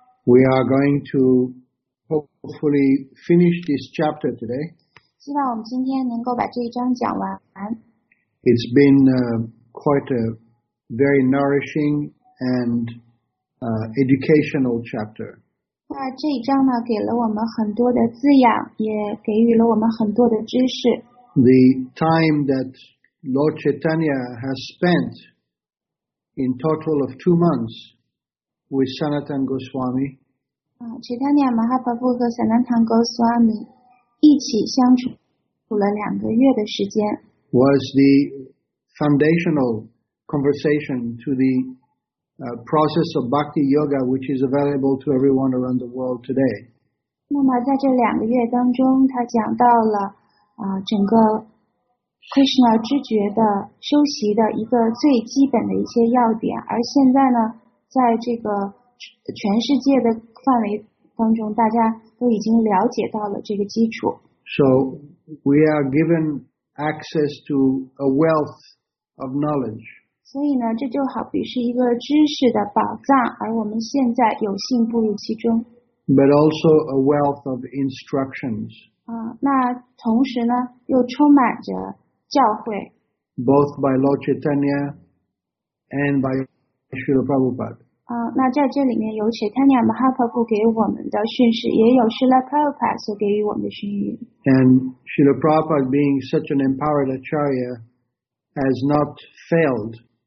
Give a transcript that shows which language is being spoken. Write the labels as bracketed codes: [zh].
[en] We are going to hopefully finish this chapter today。 [zh] 希望我们今天能够把这一章讲完。 [en] It's been quite a very nourishing。 And educational chapter. [zh] 那这一章呢，给了我们很多的滋养，也给予了我们很多的知识。 [en] The time that Lord Chaitanya has spent in total of 2 months with Sanatan Goswami. [zh] 啊，切坦尼亚马哈巴布和 Sanatan Goswami 一起相处了2个月的时间。 [en] Was the foundational conversation to the process of bhakti yoga, which is available to everyone around the world today. [zh] 那么在这2个月当中，他讲到了整个 Krishna 知觉的修习的一个最基本的一些要点。而现在呢，在这个全世界的范围当中，大家都已经了解到了这个基础。 [en] So we are given access to a wealth of knowledge. [zh] 所以呢，这就好比是一个知识的宝藏，而我们现在有幸步入其中。 [en] But also a wealth of instructions. [zh] 啊，那同时呢，又充满着教诲。 [en] Both by Lord Chaitanya and by Srila Prabhupada. [zh] 啊，那在这里面有切坦尼亚马哈帕布给我们的训示，也有 Srila Prabhupada 所给予我们的训谕。 [en] And Srila Prabhupada being such an empowered acharya has not failed.